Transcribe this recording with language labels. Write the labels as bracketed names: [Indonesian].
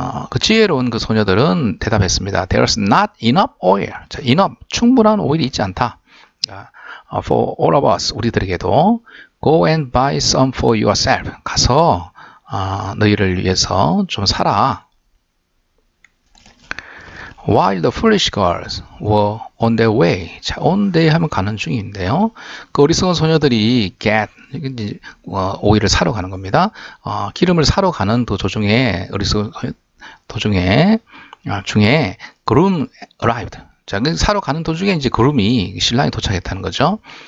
[Korean] 그 지혜로운 그 소녀들은 대답했습니다. [English] There's not enough oil. 자, enough, [Korean] 충분한 오일이 있지 않다. [English] For all of us, [Korean] 우리들에게도 [English] go and buy some for yourself. [Korean] 가서 너희를 위해서 좀 사라. [English] While the foolish girls were on their way. [Korean] 자, [English] on their [Korean] 하면 가는 중인데요. 그 어리석은 소녀들이 get, 오일을 사러 가는 겁니다. 기름을 사러 가는 그 도중에 어리석은 도중에 중에 [English] groom arrived. [Korean] 자, 사러 가는 도중에 이제 groom이 신랑이 도착했다는 거죠.